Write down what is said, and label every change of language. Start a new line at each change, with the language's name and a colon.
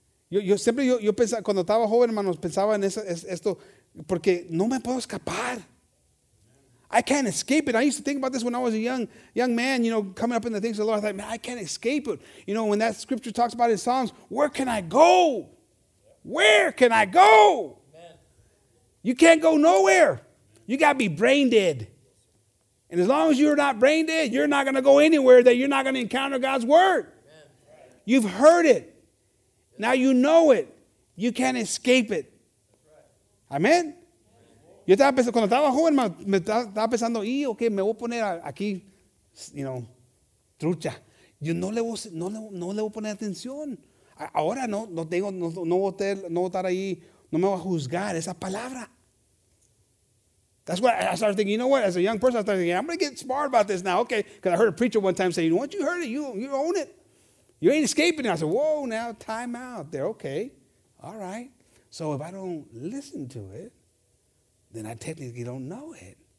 Spanish: Yo siempre pensaba, cuando estaba joven, hermanos, pensaba en esto, porque no me puedo escapar.
English: I can't escape it. I used to think about this when I was a young man, you know, coming up in the things of the Lord. I thought, man, I can't escape it. You know, when that scripture talks about it in Psalms, where can I go? Where can I go? Amen. You can't go nowhere. You got to be brain dead. And as long as you're not brain dead, you're not going to go anywhere that you're not going to encounter God's word. Amen. You've heard it. Yes. Now you know it. You can't escape it. Right. Amen.
Spanish: Yo estaba pensando, cuando estaba joven, me estaba pensando, y okay, me voy a poner aquí, you know, trucha. yo no le voy a poner atención. Ahora no voy a estar ahí, no me voy a juzgar esa palabra.
English: That's what I started thinking. You know what? As a young person, I started thinking, I'm going to get smart about this now. Okay. Because I heard a preacher one time saying, once you heard it, you own it. You ain't escaping it. I said, whoa, now time out. They're okay. All right. So if I don't listen to it, then I technically don't know it.